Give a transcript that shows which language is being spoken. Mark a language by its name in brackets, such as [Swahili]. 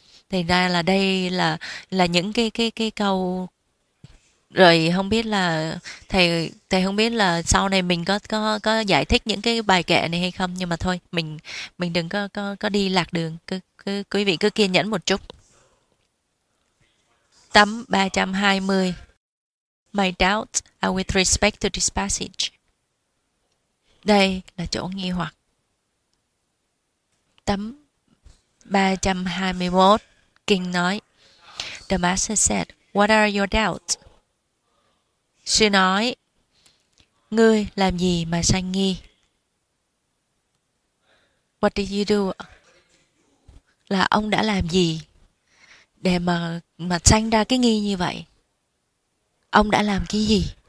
[Vietnamese] Thành ra là đây là những cái câu. Rồi không biết là thầy không biết là sau này mình có giải thích những cái bài kệ này hay không, nhưng mà thôi mình đừng có đi lạc đường, cứ quý vị cứ kiên nhẫn một chút. Tấm 320. [English] My doubt, are with respect to this passage. [Vietnamese] Đây là chỗ nghi hoặc. Tấm 321. Kinh nói, [English] The Master said, What are your doubts? [Vietnamese] Sư nói, ngươi làm gì mà sanh nghi? [English] What did you do? [Vietnamese] Là ông đã làm gì để mà sanh ra cái nghi như vậy? Ông đã làm cái gì?